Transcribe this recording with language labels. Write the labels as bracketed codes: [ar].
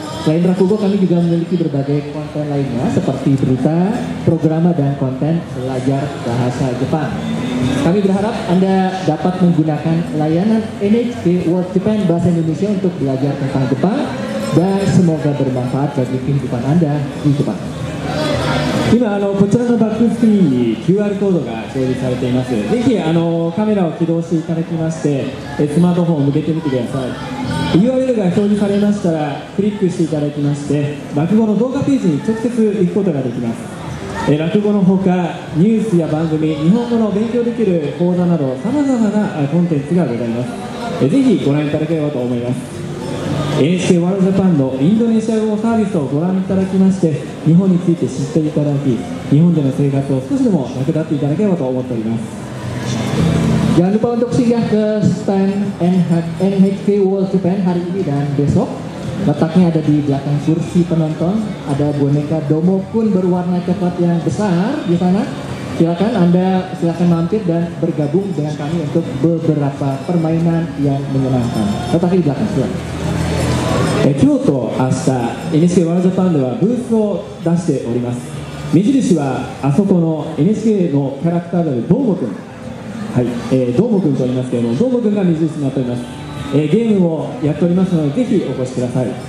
[id] Selain Rakugo, kami juga memiliki berbagai konten lainnya seperti berita, programa, dan konten belajar bahasa Jepang. Kami berharap Anda dapat menggunakan layanan NHK World Japan Bahasa Indonesia untuk belajar tentang Jepang dan semoga bermanfaat bagi kehidupan Anda di Jepang. [ja] 今、あのこちらのバックスクリーンにQRコードが表示されています。ぜひあのカメラを起動していただきまして、スマートフォンを向けてみてください。URLが表示されましたら、クリックしていただきまして、落語の動画ページに直接行くことができます。落語のほかニュースや番組、日本語の勉強できる講座などさまざまなコンテンツがございます。ぜひご覧いただければと思います。NHK ワールドジャパンのインドネシア語サービスをご覧いただきまして、日本について知っていただき、日本での生活を少しでも役立っていただければと思っております。 [id] Jangan lupa untuk singgah ke stand NHK World Japan hari ini dan besok. Letaknya ada di belakang kursi penonton, ada boneka Domokun berwarna coklat yang besar di sana. Silakan Anda silakan mampir dan bergabung dengan kami untuk beberapa permainan yang menyenangkan. Letaknya di belakang kursi. [ja] 今日と明日 NHK ワールドジャパンではブースを出しております。目印はあそこの NHK のキャラクターであるどーもくん、はい、どーもくんと言いますけれども、どーもくんが目印になっております。ゲームをやっておりますので、ぜひお越しください。